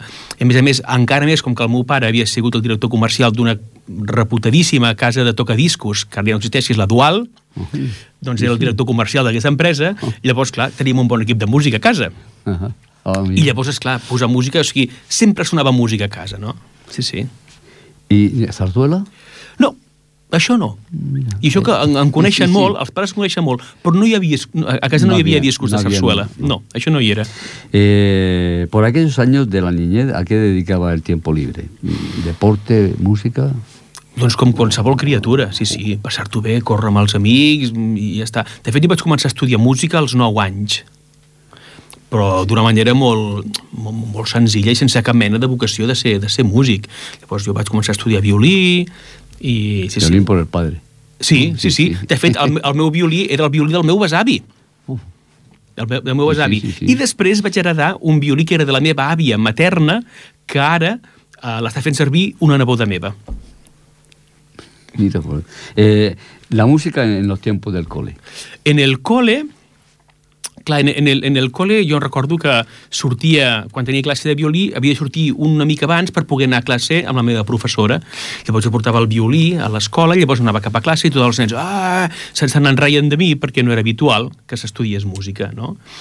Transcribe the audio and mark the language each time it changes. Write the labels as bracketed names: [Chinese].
[Catalan] a més, encara més, com que el meu pare havia sigut el director comercial d'una reputadíssima casa de tocadiscos, que ara ja no existeix, és la Dual, doncs era el director comercial d'aquesta empresa, i llavors, clar, teníem un bon equip de música a casa. I llavors, esclar, posar música, o sigui, sempre sonava música a casa, no? Sí, sí. I sarsuela? No. Això no. Mira, i això que en coneixen molt, els pares coneixen molt, però no hi havia, a casa no hi havia discos de sarsuela. No, això no hi era. [Spanish] Por aquellos años de la niñez, ¿a qué dedicaba el tiempo libre? ¿Deporte, música? [Catalan] Doncs com qualsevol criatura, sí, passar-t'ho bé, córrer amb els amics i ja està. De fet, jo vaig començar a estudiar música als 9 anys, però d'una manera molt senzilla i sense cap mena de vocació de ser músic. Llavors jo vaig començar a estudiar violí... I, [Spanish] sí, violín sí. Por el padre. Sí. [Catalan] De fet, el meu violí era el violí del meu besavi. Sí. I després vaig heredar un violí que era de la meva àvia materna, que ara l'està fent servir una neboda meva. [Spanish] Mira, la música en los tiempos del cole. En el cole... [Catalan] Clar, [Spanish] en el cole [Catalan] jo recordo que sortia, quan tenia classe de violí, havia de sortir una mica abans per poder anar a classe amb la meva professora. Llavors jo portava el violí a l'escola i llavors anava cap a classe i tots els nens se'n enraien de mi perquè no era habitual que s'estudiés música, no?